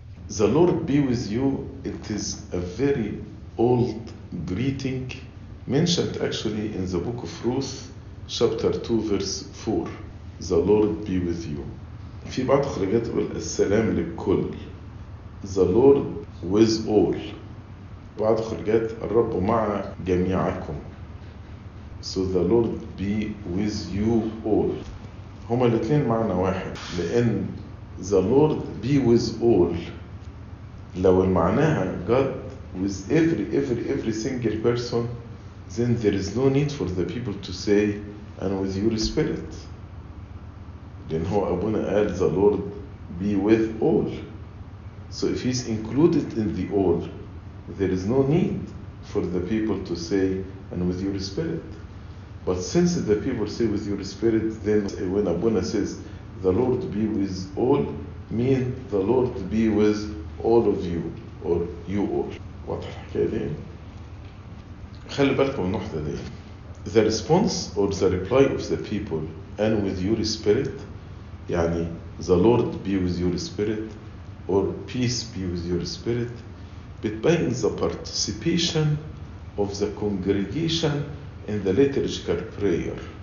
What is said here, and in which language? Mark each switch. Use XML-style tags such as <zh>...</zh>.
<en>The Lord be with you, it is a very old greeting mentioned actually in the book of Ruth chapter 2 verse 4. The Lord be with you.</en> <ar>في بعض خرجات تقول السلام للكل,</ar> <en>the Lord with all.</en> <ar>بعض خرجات الرب مع جميعكم,</ar> <en>so the Lord be with you all.</en> <ar>هما الاثنين معنى واحد, لان</ar> <en>the Lord be with all</en> <ar>لو المعناها</ar> <en>God with every single person, then there is no need for the people to say and with your spirit.</en> <ar>لأن هو أبونا قال</ar> <en>the Lord be with all. So if he's included in the all, there is no need for the people to say and with your spirit. But since the people say with your spirit, then when Abuna says the Lord be with all, mean the Lord be with all of you or you all.</en> <ar>واضح الحكاية دي؟ خلي بالكم النقطة دي.</ar> <en>The response or the reply of the people and with your spirit, يعني the Lord be with your spirit or peace be with your spirit, between the participation of the congregation in the liturgical prayer.</en>